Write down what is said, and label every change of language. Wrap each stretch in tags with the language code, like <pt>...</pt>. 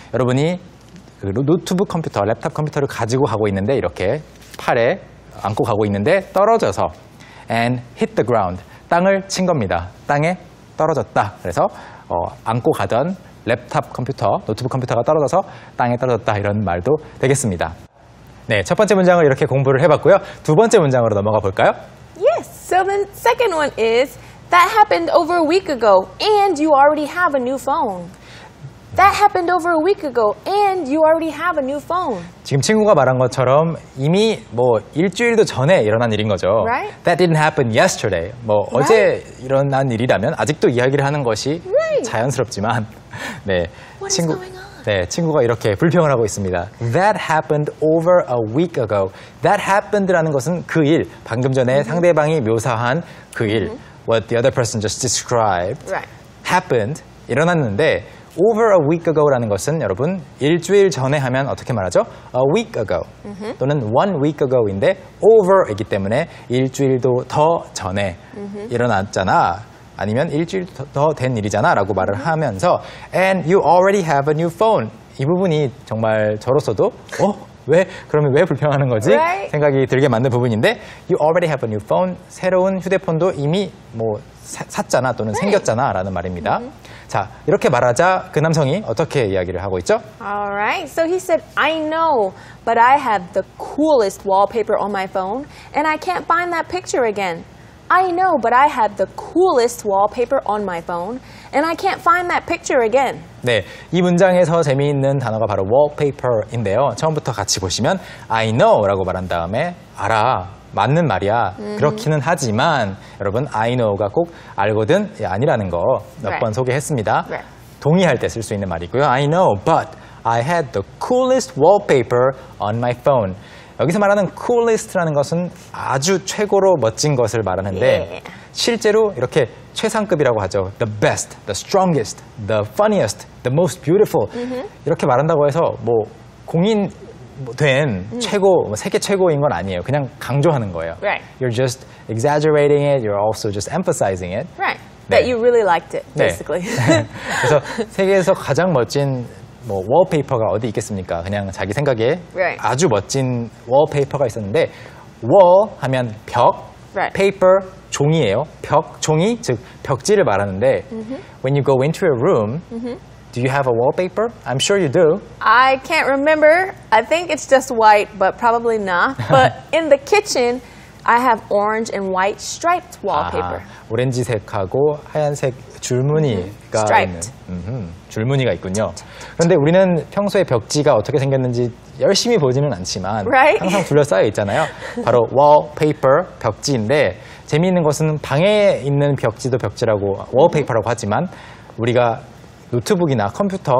<ko>여러분이 그 노트북 컴퓨터, 랩탑 컴퓨터를 가지고 가고 있는데 이렇게 팔에 안고 가고 있는데 떨어져서</ko> <en>And hit the ground.</en> <ko>땅을 친 겁니다. 땅에 떨어졌다. 그래서 안고 가던 랩탑 컴퓨터, 노트북 컴퓨터가 떨어져서 땅에 떨어졌다 이런 말도 되겠습니다. 네, 첫 번째 문장을 이렇게 공부를 해봤고요. 두 번째 문장으로 넘어가 볼까요?</ko> <en>Yes, so the second one is that happened over a week ago and you already have a new phone. That happened over a week ago and you already have a new phone.</en> <ko>지금 친구가 말한 것처럼 이미 뭐 일주일도 전에 일어난 일인 거죠.</ko> <en>Right? That didn't happen yesterday.</en> <ko>뭐 어제</ko> <en>right?</en> <ko>일어난 일이라면 아직도 이야기를 하는 것이</ko> <en>right.</en> <ko>자연스럽지만 네.</ko> <en>What 친구 is going on?</en> <ko>네, 친구가 이렇게 불평을 하고 있습니다.</ko> <en>That happened</en> <ko>over a week ago. That happened라는 것은 그 일, 방금 전에 mm-hmm. 상대방이 묘사한 그 일,</ko> <en>mm-hmm. what the other person just described, right.</en> <ko>happened, 일어났는데</ko> <en>over a week ago</en> <ko>라는 것은 여러분, 일주일 전에 하면 어떻게 말하죠?</ko> <en>A week ago, mm-hmm.</en> <ko>또는</ko> <en>one week ago</en> <ko>인데 over이기 때문에 일주일도 더 전에 mm-hmm. 일어났잖아. 아니면 일주일 더 된 일이잖아 라고 말을 하면서</ko> <en>And you already have a new phone.</en> <ko>이 부분이 정말 저로서도 왜? 그러면 왜 불평하는 거지?</ko> <en>Right.</en> <ko>생각이 들게 만든 부분인데</ko> <en>You already have a new phone.</en> <ko>새로운 휴대폰도 이미 뭐 샀잖아 또는</ko> <en>right.</en> <ko>생겼잖아 라는 말입니다. Mm-hmm. 자, 이렇게 말하자 그 남성이 어떻게 이야기를 하고 있죠?</ko> <en>Alright, so he said I know, but I have the coolest wallpaper on my phone and I can't find that picture again. I know, but I have the coolest wallpaper on my phone, and I can't find that picture again.</en> <ko>네, 이 문장에서 재미있는 단어가 바로 wallpaper인데요. 처음부터 같이 보시면</ko> <en>I know</en> <ko>라고 말한 다음에 알아, 맞는 말이야. Mm-hmm. 그렇기는 하지만 여러분,</ko> <en>I know</en> <ko>가 꼭 알거든 아니라는 거 몇 번</ko> <en>right.</en> <ko>소개했습니다.</ko> <en>Right.</en> <ko>동의할 때 쓸 수 있는 말이고요.</ko> <en>I know, but I had the coolest wallpaper on my phone.</en> <ko>여기서 말하는 coolest라는 것은 아주 최고로 멋진 것을 말하는데</ko> <en>yeah.</en> <ko>실제로 이렇게 최상급이라고 하죠.</ko> <en>The best, the strongest, the funniest, the most beautiful. Mm-hmm.</en> <ko>이렇게 말한다고 해서 뭐 공인 된 최고, 세계 최고인 건 아니에요. 그냥 강조하는 거예요.</ko> <en>Right. You're just exaggerating it. You're also just emphasizing it. Right. That 네. you really liked it, basically.</en> <ko>네. 그래서 세계에서 가장 멋진 뭐 wallpaper가 어디 있겠습니까? 그냥 자기 생각에</ko> <en>right.</en> <ko>아주 멋진 wallpaper가 있었는데 wall 하면 벽,</ko> <en>right.</en> <ko>paper 종이예요. 벽, 종이, 즉 벽지를 말하는데 mm-hmm.</ko> <en>When you go into a room, mm-hmm. do you have a wallpaper? I'm sure you do. I can't remember. I think it's just white, but probably not. But in the kitchen, I have orange and white striped wallpaper. 아,</en> <ko>오렌지색하고 하얀색 줄무늬가</ko> <en>mm-hmm. striped.</en> <ko>있는. 음흠, 줄무늬가 있군요. 그런데 우리는 평소에 벽지가 어떻게 생겼는지 열심히 보지는 않지만</ko> <en>right?</en> <ko>항상 둘러싸여 있잖아요. 바로 wallpaper, 벽지인데 재미있는 것은 방에 있는 벽지도 벽지라고 wallpaper라고 하지만 우리가 노트북이나 컴퓨터</ko>